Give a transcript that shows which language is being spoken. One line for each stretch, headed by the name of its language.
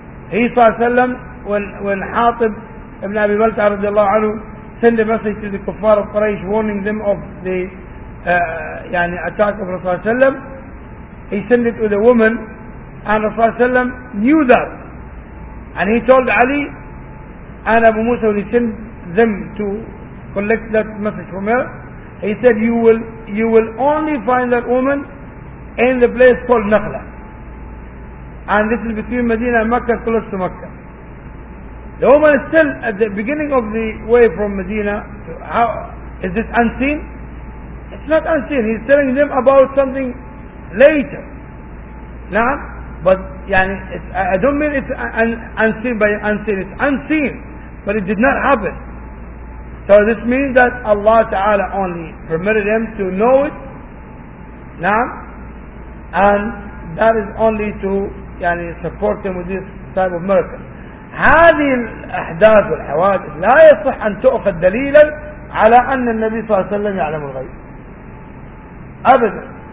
English: هي صلى الله عليه وسلم when حاطب بن أبي بلتع رضي الله عنه send a message to the كفار of قريش warning them of the يعني attack of رسول الله صلى الله عليه وسلم. He sent it to the woman and رسول الله صلى الله عليه وسلم knew that. And he told Ali and Abu Musa, when he sent them to collect that message from her, he said, you will only find that woman in the place called Nakhla. And this is between Medina and Mecca, close to Mecca. The woman is still at the beginning of the way from Medina. How is this unseen? It's not unseen. He's telling them about something later. Now, but yani, I don't mean it's unseen by unseen. It's unseen, but it did not happen. So this means that Allah Ta'ala only permitted him to know it. Now, and that is only to yani, support him with this type of miracle.
Arabic: هذه الأحداث والحوادث لا يصح أن تؤخذ دليلا على أن النبي صلى الله عليه وسلم يعلم الغيب أبدا.